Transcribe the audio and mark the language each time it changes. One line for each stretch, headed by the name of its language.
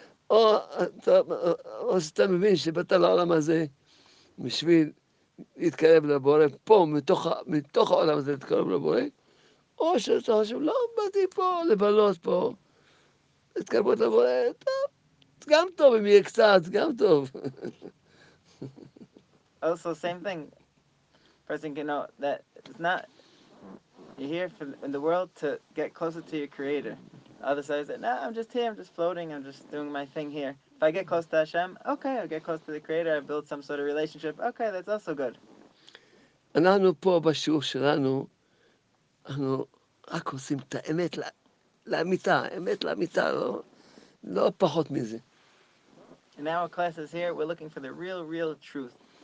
Hebrew: או שאתה מבין שבאת לעולם הזה בשביל להתקרב לבורא, פה, מתוך העולם הזה להתקרב לבורא, או שאתה חושב, לא באתי פה לבלות פה, להתקרבות לבורא, טוב, גם טוב אם יהיה קצת, גם טוב.
English: Also, same thing. Person can know that it's not, you're here for in the world to get closer to your creator. Other side say, nah, I'm just here, I'm just floating, I'm just doing my thing here. If I get close to Hashem, okay, I'll get close to the creator, I build some sort of relationship, okay, that's also good.
Hebrew: אנחנו פה בשיעור שלנו, אנחנו רק עושים את האמת לאמיתה, אמת לאמיתה, לא פחות מזה.
English: In our classes here, we're looking for the real, real truth.